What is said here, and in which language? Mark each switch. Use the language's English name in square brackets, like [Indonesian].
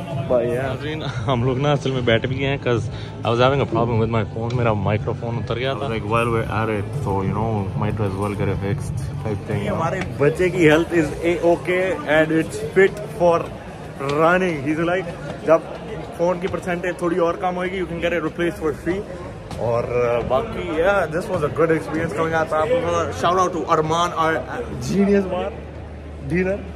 [Hindi] हम लोग ना असल में बैठ भी गए हैं [English] cuz I was having a problem with my phone. [Hindi] मेरा माइक्रोफोन उतर गया था. [English] Like while we are at it, so you know, might as well get it fixed. Type thing. [Hindi] हमारे बच्चे की [English] Health is a okay and it's fit for running. He is like [Hindi] जब phone की percentage थोड़ी और कम होगी [English] You can get it replaced for free. [Hindi] और बाकी [English] या this was a good experience coming out of आप. Shout out to Arman our genius bar dealer.